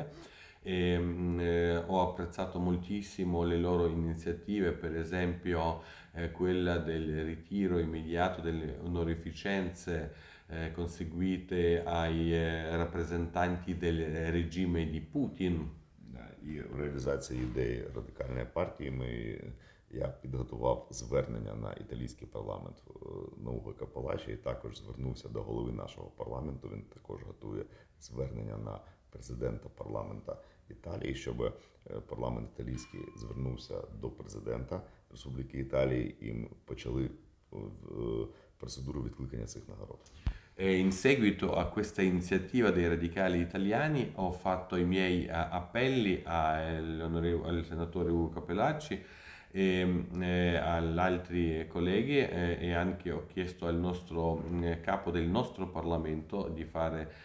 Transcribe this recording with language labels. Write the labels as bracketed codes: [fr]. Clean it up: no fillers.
[it] Ho apprezzato moltissimo le loro iniziative, per esempio quella del ritiro immediato delle onorificenze conseguite ai rappresentanti del regime di Putin. [uk] І в реалізації ідеї радикальної партії я підготував звернення на італійський парламент на Уго Капеллаччі і також звернувся до голови нашого парламенту. Він також готує звернення на президента парламента Італії, щоб парламент італійський звернувся до президента Республіки Італії і почали процедуру відкликання цих нагород. [it] E in seguito a questa iniziativa dei radicali italiani ho fatto i miei appelli al senatore Ugo Capellacci e agli altri colleghi e anche ho chiesto al nostro capo del nostro Parlamento di fare